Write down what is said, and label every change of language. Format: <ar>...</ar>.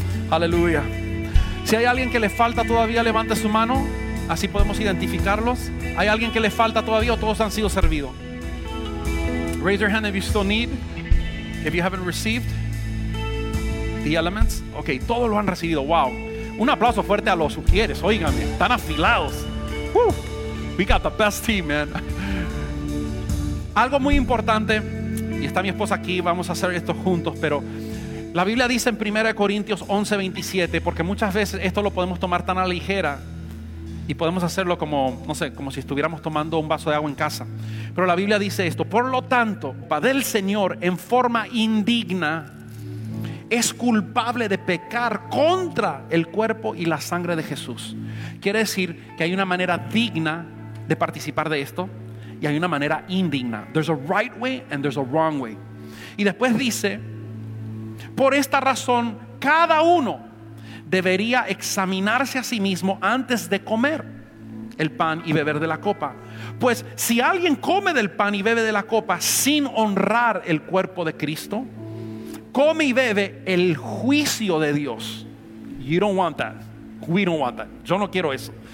<es>Aleluya. Si hay alguien que le falta todavía, levante su mano. Así podemos identificarlos. ¿Hay alguien que le falta todavía o todos han sido servidos?</es> <en>Raise your hand if you still need. If you haven't received the elements.</en> <es>Ok, todos lo han recibido. Wow. Un aplauso fuerte a los ujieres. Óiganme, están afilados.</es> <en>Woo. We got the best team, man.</en> <es>Algo muy importante. Y está mi esposa aquí. Vamos a hacer esto juntos, pero. La Biblia dice en 1 Corintios 11, 27, porque muchas veces esto lo podemos tomar tan a la ligera y podemos hacerlo como, no sé, como si estuviéramos tomando un vaso de agua en casa. Pero la Biblia dice esto: por lo tanto, padre del Señor, en forma indigna, es culpable de pecar contra el cuerpo y la sangre de Jesús. Quiere decir que hay una manera digna de participar de esto y hay una manera indigna.</es> <en>There's a right way and there's a wrong way.</en> <es>Y después dice: por esta razón, cada uno debería examinarse a sí mismo antes de comer el pan y beber de la copa. Pues si alguien come del pan y bebe de la copa sin honrar el cuerpo de Cristo, come y bebe el juicio de Dios.</es> <en>You don't want that.</en> <es>We don't want that. Yo no quiero eso.</es>